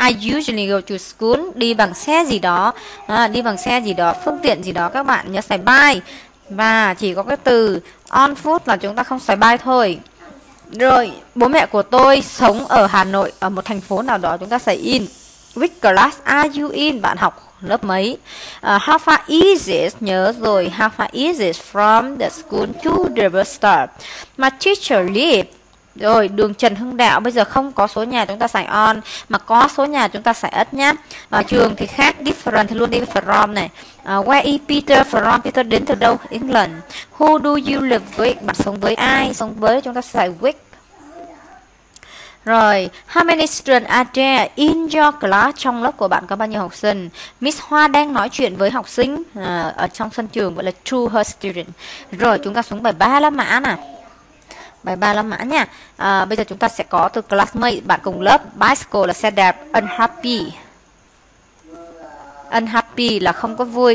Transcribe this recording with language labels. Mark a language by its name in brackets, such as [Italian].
[English] I usually go to school [Vietnamese] đi bằng xe gì đó, đi bằng xe gì đó, phương tiện gì đó, các bạn nhớ xài bike và chỉ có cái từ on foot là chúng ta không xài bike thôi. Rồi, bố mẹ của tôi sống ở Hà Nội, ở một thành phố nào đó, chúng ta xài in. [English] Which class are you in? [Vietnamese] Bạn học lớp mấy? [English] How far is it? [Vietnamese] Nhớ rồi, [English] how far is it from the school to the bus stop? My teacher live. [Vietnamese] Rồi, đường Trần Hưng Đạo bây giờ không có số nhà chúng ta xài on mà có số nhà chúng ta xài at nhá. Trường thì khác, different thì luôn đi với from này. [English] Where is Peter from? [Vietnamese] Peter đến từ đâu? [English] England. Who do you live with? [Vietnamese] Bạn sống với ai? Sống với chúng ta xài with. [English] Rồi, how many students are there in your class? [Vietnamese] Trong lớp của bạn có bao nhiêu học sinh? Miss Hoa đang nói chuyện với học sinh ở trong sân trường, gọi là [English] to her student. [Vietnamese] Rồi, chúng ta xuống bài 3 la mã nè. Bài 3 la mã nha. Bây giờ chúng ta sẽ có từ classmate, bạn cùng lớp. Bicycle là xe đạp. Unhappy. Unhappy là không có vui.